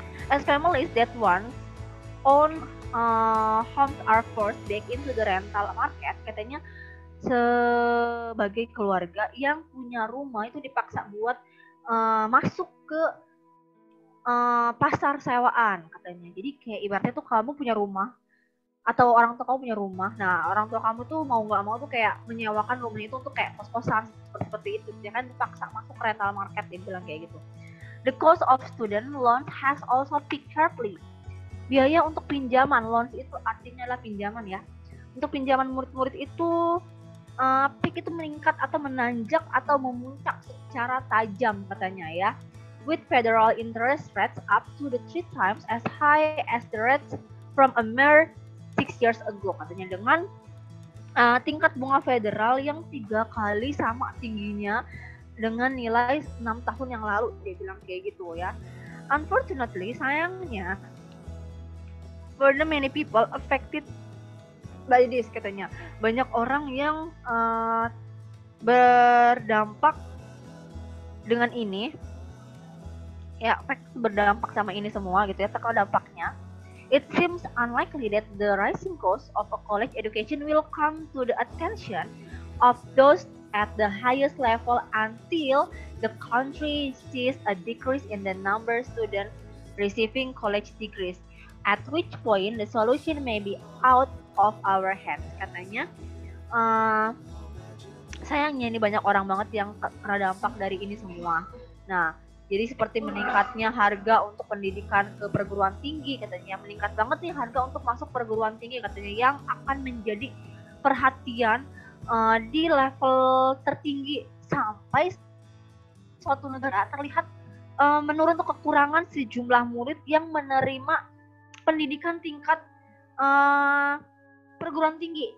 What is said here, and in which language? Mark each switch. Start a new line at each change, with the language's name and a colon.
English: As families that once own homes are forced back into the rental market,
Indonesian: katanya sebagai keluarga yang punya rumah itu dipaksa buat masuk ke pasar sewaan katanya. Jadi kayak ibaratnya tuh kamu punya rumah atau orang tua kamu punya rumah, nah orang tua kamu tuh mau nggak mau tuh kayak menyewakan rumah itu untuk kayak kos-kosan seperti itu, dia kan dipaksa masuk ke
English: rental market,
Indonesian: dia bilang kayak gitu.
English: The cost of student loans has also peaked sharply.
Indonesian: Biaya untuk pinjaman, loans itu artinya lah pinjaman ya. Untuk pinjaman murid-murid itu, peak itu meningkat atau menanjak atau memuncak secara tajam katanya ya.
English: With federal interest rates up to the 3 times as high as the rates from a mere 6 years ago
Indonesian: katanya. Dengan tingkat bunga federal yang 3 kali sama tingginya dengan nilai 6 tahun yang lalu, dia bilang kayak gitu ya.
English: Unfortunately,
Indonesian: sayangnya,
English: for the many people affected by this,
Indonesian: katanya banyak orang yang berdampak dengan ini, ya berdampak sama ini semua gitu ya, terkena dampaknya.
English: It seems unlikely that the rising cost of a college education will come to the attention of those at the highest level until the country sees a decrease in the number of students receiving college degrees, at which point the solution may be out of our hands,
Indonesian: katanya. Sayangnya ini banyak orang banget yang kena dampak dari ini semua. Nah, jadi seperti meningkatnya harga untuk pendidikan ke perguruan tinggi, katanya meningkat banget nih harga untuk masuk perguruan tinggi, katanya, yang akan menjadi perhatian di level tertinggi sampai suatu negara terlihat menurun untuk kekurangan sejumlah murid yang menerima pendidikan tingkat perguruan tinggi.